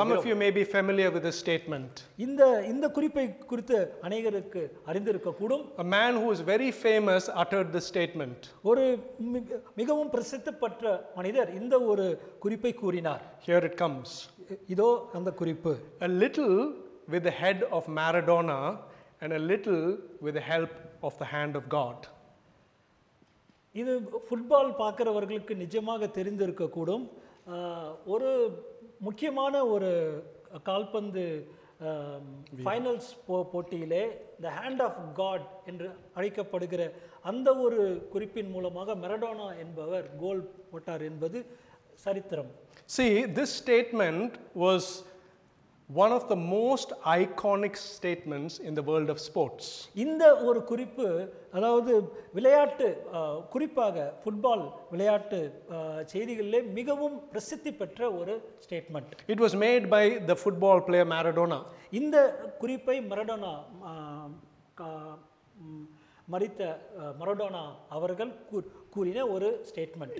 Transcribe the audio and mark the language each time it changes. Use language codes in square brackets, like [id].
[en] Some of you may be familiar with this statement. [ta] இந்த குறிப்பை குறித்து அனைவருக்கு அறிந்திருக்க கூடும். [en] A man who is very famous uttered this statement. [ta] ஒரு மிகவும் பிரசித்தி பெற்ற மனிதர் இந்த ஒரு குறிப்பை கூறினார். [en] Here it comes. [ta] இதோ அந்த குறிப்பு. [en] A little with the head of Maradona and a little with the help of the hand of God. [ta] இது ஃபுட்பால் பார்க்குறவர்களுக்கு நிஜமாக தெரிந்திருக்கக்கூடும். ஒரு முக்கியமான ஒரு கால்பந்து ஃபைனல்ஸ் போட்டியிலே [en] the hand of God [ta] என்று அழைக்கப்படுகிற அந்த ஒரு குறிப்பின் மூலமாக மரடோனா என்பவர் கோல் போட்டார் என்பது சரித்திரம். [en] See, this statement was one of the most iconic statements in the world of sports. [ta] இந்த ஒரு குறிப்பு அதாவது விளையாட்டு குறிப்பாக ஃபுட்பால் விளையாட்டு செய்திகளிலே மிகவும் பிரசித்தி பெற்ற ஒரு statement. [en] It was made by the football player Maradona. [ta] இந்த குறிப்பை மரடோனா அவர்கள் கூறின ஒரு ஸ்டேட்மெண்ட்.